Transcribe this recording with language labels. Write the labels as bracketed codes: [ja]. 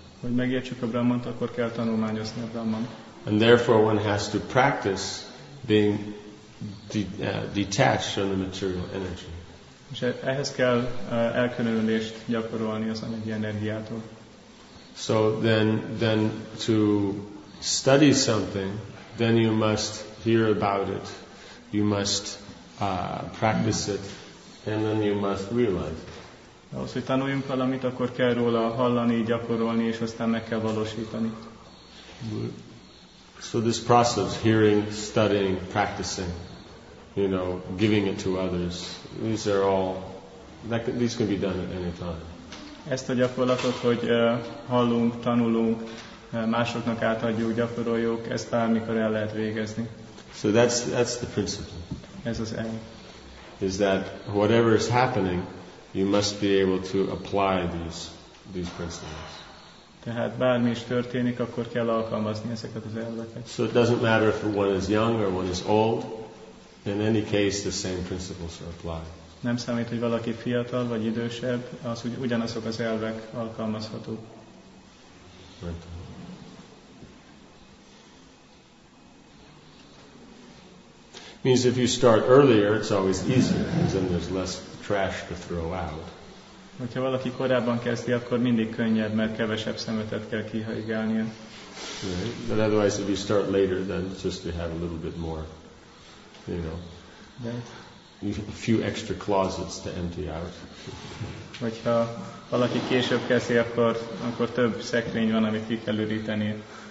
[hu] Hogy megértsük a Brahmant, akkor kell tanulmányozni a Brahmant. [en] And therefore one has to practice being detached from the material energy. [hu] És ehhez kell elkülönülést gyakorolni az anyagi energiától. [en] So then to study something, then you must hear about it, you must practice it, and then you must realize it. [hu] Ahhoz, hogy tanuljunk valamit, akkor kell róla hallani, gyakorolni, és aztán meg kell valósítani. [en] So this process, hearing, studying, practicing, you know, giving it to others, these are all, these can be done at any time. [hu] Ezt a gyakorlatot, hogy hallunk, tanulunk, másoknak átadjuk, gyakoroljuk, ezt bármikor el lehet végezni. [en] So that's the principle. [hu] Ez az el. [en] Is that whatever is happening, you must be able to apply these principles. [hu] Tehát bármi is történik, akkor kell alkalmazni ezeket az elveket. [en] So it doesn't matter if one is young or one is old. In any case, the same principles are applied. [hu] Nem számít, hogy valaki fiatal vagy idősebb, az ugyanazok az elvek alkalmazhatók. [en] Right. Means if you start earlier, it's always easier, because then there's less trash to throw out. [hu] Hogyha valaki korábban kezdi, akkor mindig könnyebb, mert kevesebb szemetet kell kihajgálnia. [en] Right. But otherwise, if you start later, then just you have a little bit more, you know. Right. A few extra closets to empty out. [hu] Hogyha valaki később kezdi, akkor több szekrény van, amit ki kell üríteni.